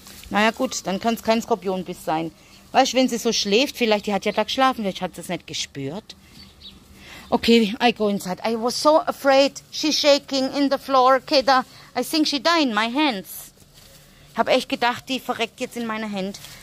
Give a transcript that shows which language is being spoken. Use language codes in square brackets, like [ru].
[de] Naja gut, dann kann es kein Skorpionbiss sein. Weißt du, wenn sie so schläft, vielleicht, die hat ja da geschlafen, vielleicht hat sie es nicht gespürt. [en] Okay, I go inside. I was so afraid. She's shaking in the floor. Okay, da, I think she died in my hands. [de] Hab echt gedacht, die verreckt jetzt in meiner Hand.